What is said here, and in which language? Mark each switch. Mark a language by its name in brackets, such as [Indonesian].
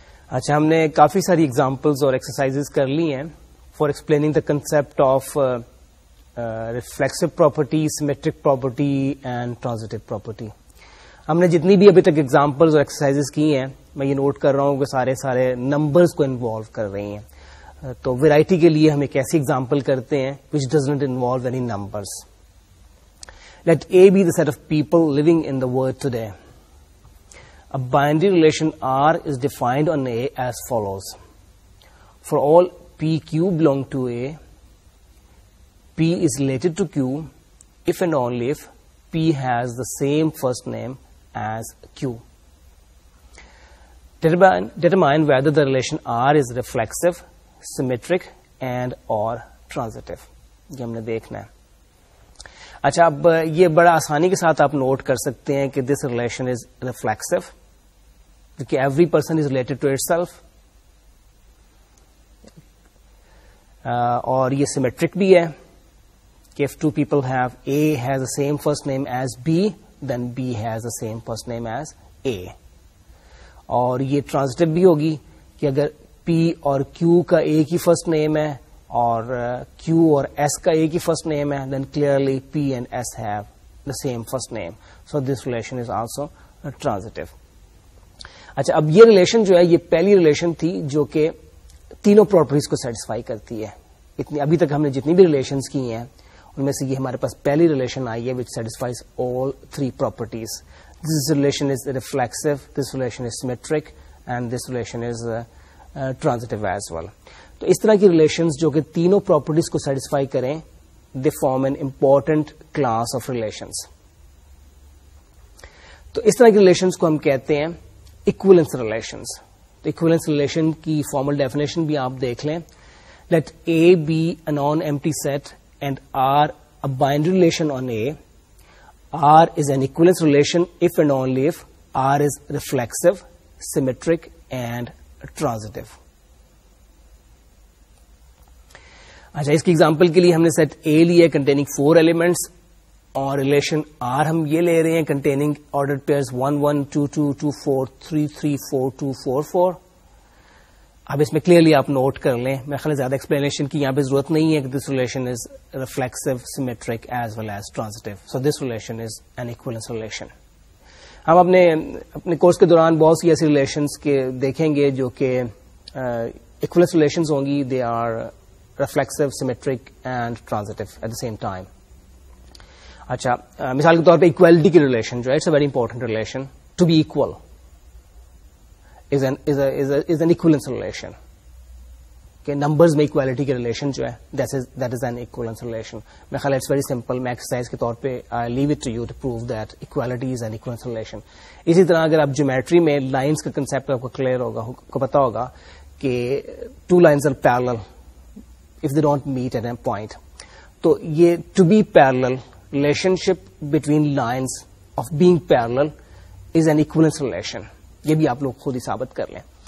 [Urdu] اچھا ہم نے کافی ساری ایگزامپلز اور ایکسرسائزز کر لی ہیں [English] For explaining the concept of reflexive property, symmetric property and transitive property. [Urdu] ہم نے جتنی بھی ابھی تک ایگزامپلز اور ایکسرسائزز کی ہیں میں یہ نوٹ کر رہا ہوں کہ سارے سارے نمبرز کو انوالو کر رہی ہیں. تو ویرائٹی کے لیے ہم ایک ایسی ایگزامپل کرتے ہیں [English] Which does not involve any numbers. Let A be the set of people living in the world today. A binary relation R is defined on A as follows. For all P Q belong to A, P is related to Q if and only if P has the same first name as q. Determine whether the relation r is reflexive, symmetric and or transitive. [Urdu] یہ ہم نے دیکھنا ہے. اچھا اب یہ بڑا آسانی کے ساتھ آپ نوٹ کر سکتے ہیں کہ [English] This relation is reflexive کیونکہ every person is related to itself اور یہ symmetric بھی ہے کہ if two people have a has the same first name as B then B has the same first name as A. [Urdu] اور یہ transitive بھی ہوگی کہ اگر P اور Q کا A کی first name ہے اور Q اور S کا A کی first name ہے [English] then clearly P and S have the same first name. So this relation is also transitive. [Urdu] اچھا اب یہ ریلیشن جو ہے یہ پہلی ریلیشن تھی جو کہ تینوں پراپرٹیز کو سیٹسفائی کرتی ہے. اتنی ابھی تک ہم نے جتنی بھی ریلیشنز کی ہیں ان میں سے یہ ہمارے پاس پہلی ریلیشن آئی ہے [English] Which satisfies all three properties. This relation is reflexive, this relation is symmetric and this relation is transitive as well. [Urdu] تو اس طرح کی ریلیشنز جو کہ تینوں پراپرٹیز کو سیٹسفائی کریں [English] They form an important class of relations. [Urdu] تو اس طرح کی ریلیشنز کو ہم کہتے ہیں اکویلنس ریلیشنز. تو اکویلنس ریلیشن کی فارمل ڈیفینیشن بھی آپ دیکھ لیں. [English] Let A be a non empty set and R a binary relation on A. R is an equivalence relation if and only if R is reflexive, symmetric and transitive. [Urdu] اچھا اس کی example کے لیے ہم نے سیٹ اے لیا containing 4 elements اور relation R ہم یہ لے رہے ہیں کنٹیننگ آرڈر پیئرز 1 1 2 2 2 4 3 3 4 2 4 4. اب اس میں کلیئرلی آپ نوٹ کر لیں, میں خیال زیادہ ایکسپلینیشن کی یہاں پہ ضرورت نہیں ہے کہ [English] This relation is reflexive, symmetric as well as transitive. So this relation is an equivalence relation. [Urdu] ہم اپنے کورس کے دوران بہت سی ایسی ریلیشنز کے دیکھیں گے جو کہ ایکویلنس ریلیشنز ہوں گی. [English] They are reflexive, symmetric and transitive at the same time. [Urdu] اچھا مثال کے طور پہ اکویلٹی کی ریلیشن جو ہے [English] It's a very important relation. To be equal is an equivalence relation. [Urdu] کہ نمبرز میں اکوالٹی کے ریلیشن جو ہے [English] That is an equivalence relation. [Urdu] میں خیال [English] It's very simple, میں exercise کے طور پہ leave it to you to prove that equality is an equivalence relation. [Urdu] اسی طرح اگر آپ جیومیٹری میں لائنز کا کنسپٹ آپ کو کلیئر ہوگا, کو پتا ہوگا کہ [English] two lines are parallel if they don't meet at a point, [Urdu] تو یہ to be parallel relation ship between lines of being parallel is an اکوالنس relation, یہ بھی آپ لوگ خود ہی ثابت کر لیں.